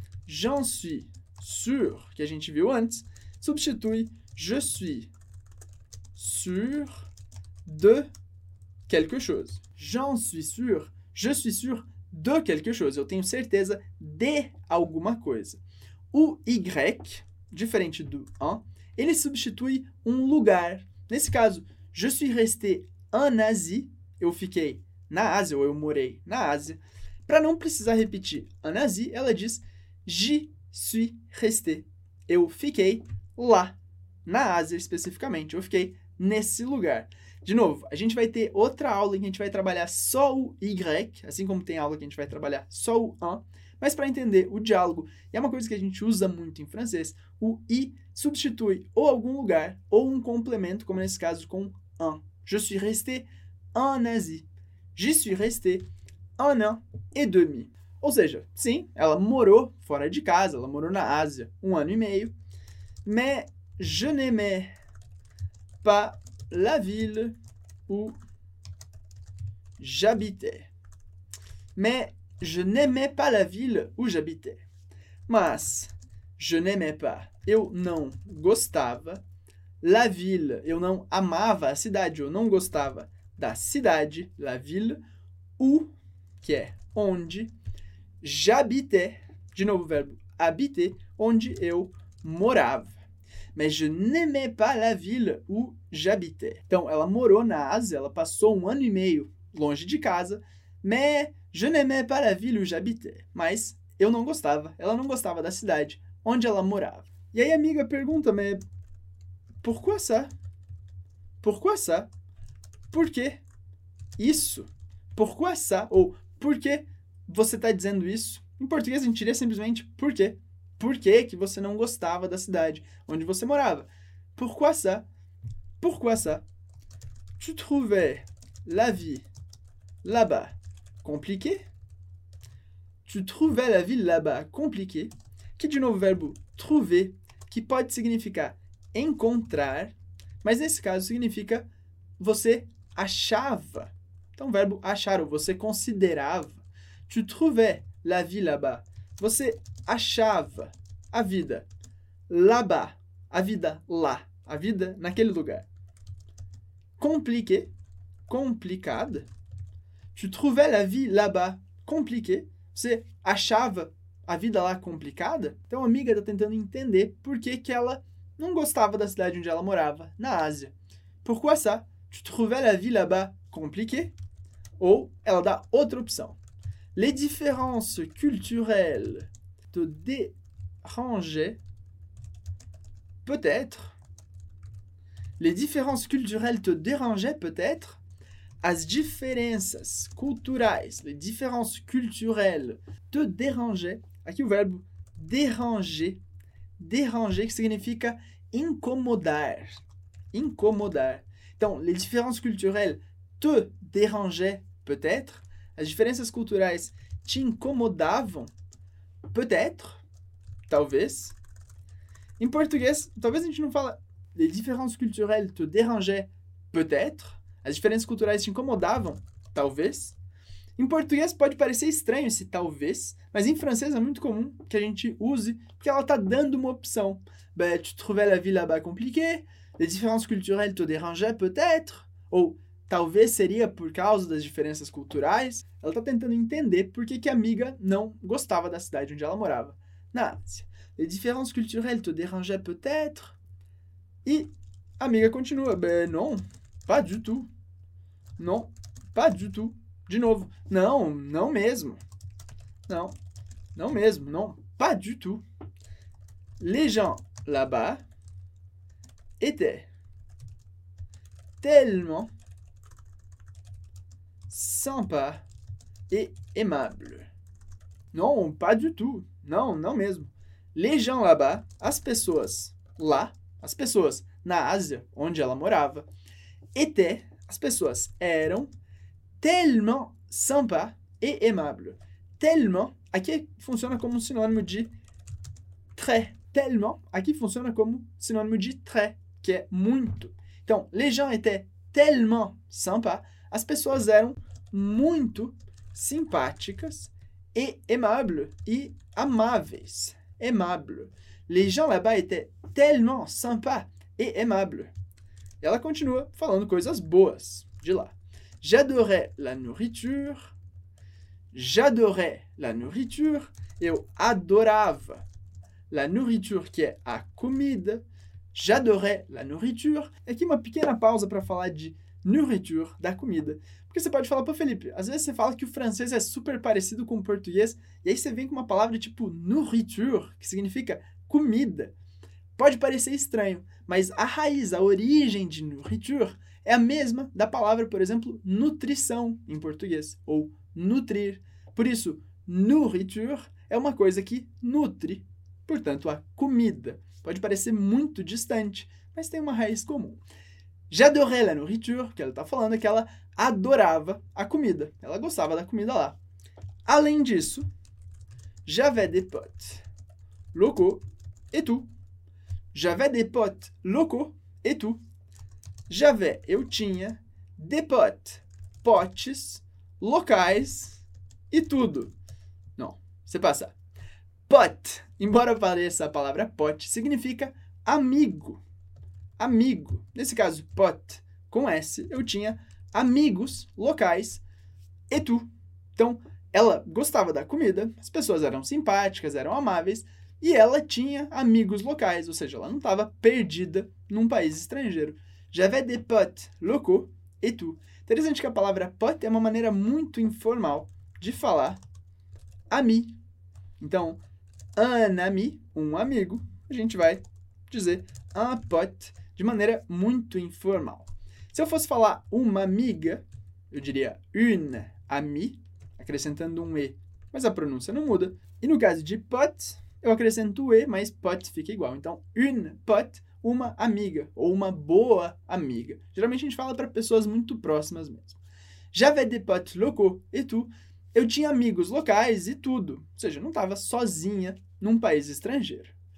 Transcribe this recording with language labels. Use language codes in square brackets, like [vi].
[fr] J'en suis sûr, [pt] que a gente viu antes, substitui [fr] je suis sûr de quelque chose. J'en suis sûr. Je suis sûr de quelque chose. [pt] Eu tenho certeza de alguma coisa. O Y, diferente do en, ele substitui um lugar. Nesse caso, [fr] je suis resté en Asie. [pt] Eu fiquei na Ásia, ou eu morei na Ásia. Para não precisar repetir [fr] en Asie, [pt] ela diz [fr] j'y suis resté. [pt] Eu fiquei lá, na Ásia especificamente. Eu fiquei nesse lugar. De novo, a gente vai ter outra aula em que a gente vai trabalhar só o Y, assim como tem aula que a gente vai trabalhar só o en, mas para entender o diálogo, e é uma coisa que a gente usa muito em francês, o I substitui ou algum lugar ou um complemento, como nesse caso com en. [fr] Je suis resté en Asie. J'y suis resté un an et demi. [pt] Ou seja, sim, ela morou fora de casa, ela morou na Ásia um ano e meio, [fr] mais je n'aimais pas la ville où j'habitais. Mais je n'aimais pas la ville où j'habitais. [pt] Mas [fr] je n'aimais pas. [pt] Eu não gostava. [fr] La ville. [pt] Eu não amava a cidade. Eu não gostava da cidade. [fr] La ville. Où, [pt] que é onde. [fr] J'habitais. [pt] De novo o verbo habiter. Onde eu morava. [fr] Mais je n'aimais pas la ville où j'habitais. [pt] Então, ela morou na Ásia, ela passou um ano e meio longe de casa, [fr] mais je n'aimais pas la ville où j'habitais. [pt] Mas eu não gostava, ela não gostava da cidade onde ela morava. E aí a amiga pergunta, mas por que ça? Por que ça? Por que isso? Por que ça? Ou por que você está dizendo isso? Em português, a gente diria simplesmente por quê? Por que que você não gostava da cidade onde você morava? [fr] Pourquoi ça? Pourquoi ça? Tu trouvais la vie là-bas compliquée? Tu trouvais la vie là-bas compliquée? [pt] Que, de novo, o verbo trouver, que pode significar encontrar, mas nesse caso significa você achava. Então, o verbo achar, ou você considerava. [fr] Tu trouvais la vie là-bas. [pt] Você achava a vida [fr] là-bas, [pt] a vida lá, a vida naquele lugar. [fr] Compliqué, [pt] complicada. [fr] Tu trouvais la vie là-bas compliquée. [pt] Você achava a vida lá complicada? Então a amiga está tentando entender por que que ela não gostava da cidade onde ela morava, na Ásia. [fr] Pourquoi ça? Tu trouvais la vie là-bas compliquée? [pt] Ou ela dá outra opção. [fr] Les différences culturelles te dérangeaient peut-être. Les différences culturelles te dérangeaient peut-être. [pt] As diferenças culturais, [fr] les différences culturelles te dérangeaient. [pt] Aqui o verbo déranger, déranger que significa incomodar. Incomodar. Então, [fr] les différences culturelles te dérangeaient peut-être. [pt] As diferenças culturais te incomodavam [fr] peut-être. [pt] Talvez. Em português, talvez a gente não fala [fr] les différences culturelles te dérangeaient peut-être. [pt] As diferenças culturais te incomodavam, talvez. Em português pode parecer estranho esse talvez, mas em francês é muito comum que a gente use, porque ela está dando uma opção. [fr] Bah, tu trouvais la vie là-bas compliquée? Les différences culturelles te dérangeaient peut-être? [pt] Ou talvez seria por causa das diferenças culturais? Ela está tentando entender por que a amiga não gostava da cidade onde ela morava. [fr] Nácia, les différences culturelles te dérangeaient peut-être? [pt] E a amiga continua, [fr] bah, non. Pas du tout. Non, pas du tout. [pt] De novo, não, não mesmo. Não, não mesmo, não, [fr] pas du tout. Les gens là-bas étaient tellement sympas et aimables. Non, pas du tout. [pt] Não, não mesmo. [fr] Les gens là-bas, [pt] as pessoas lá, as pessoas na Ásia, onde ela morava, [fr] étaient, [pt] as pessoas eram, [fr] tellement sympa et aimable. [pt] Tellement, aqui funciona como sinônimo de très. Tellement, aqui funciona como sinônimo de très, que é muito. Então, [fr] les gens étaient tellement sympa, [pt] as pessoas eram muito simpáticas [fr] et aimable [pt] e amáveis. [fr] Aimable. Les gens là-bas étaient tellement sympa et aimable. [pt] Ela continua falando coisas boas de lá. [fr] J'adorais la nourriture. J'adorais la nourriture. [pt] Eu adorava [fr] la nourriture, [pt] que é a comida. [fr] J'adorais la nourriture. [pt] E aqui uma pequena pausa para falar de nourriture, da comida. Porque você pode falar, pô, Felipe, às vezes você fala que o francês é super parecido com o português, e aí você vem com uma palavra tipo nourriture, que significa comida. Pode parecer estranho, mas a raiz, a origem de nourriture é a mesma da palavra, por exemplo, nutrição em português, ou nutrir. Por isso, nourriture é uma coisa que nutre, portanto, a comida. Pode parecer muito distante, mas tem uma raiz comum. [fr] J'adorais la nourriture, [pt] que ela está falando, é que ela adorava a comida. Ela gostava da comida lá. Além disso, [fr] j'avais des potes locaux et tout. J'avais des potes locaux et tout. J'avais, [pt] eu tinha, [fr] des potes, [pt] potes, locais e tudo. Não, você passa. Pot, embora pareça a palavra pot, significa amigo. Amigo. Nesse caso, pot, com S, eu tinha amigos locais [fr] et tout. [pt] Então, ela gostava da comida, as pessoas eram simpáticas, eram amáveis, e ela tinha amigos locais, ou seja, ela não estava perdida num país estrangeiro. [fr] J'avais des potes locaux et tout. [pt] Interessante que a palavra pote é uma maneira muito informal de falar ami. Então, [fr] un ami, [pt] um amigo, a gente vai dizer [fr] un pote [pt] de maneira muito informal. Se eu fosse falar uma amiga, eu diria [fr] une amie, [pt] acrescentando um e, mas a pronúncia não muda. E no caso de pote, eu acrescento o E, mas pote fica igual. Então, [fr] une pote, [pt] uma amiga, ou uma boa amiga. Geralmente a gente fala para pessoas muito próximas mesmo. [fr] J'avais des potes locaux et tout. [pt] Eu tinha amigos locais e tudo. Ou seja, eu não estava sozinha num país estrangeiro.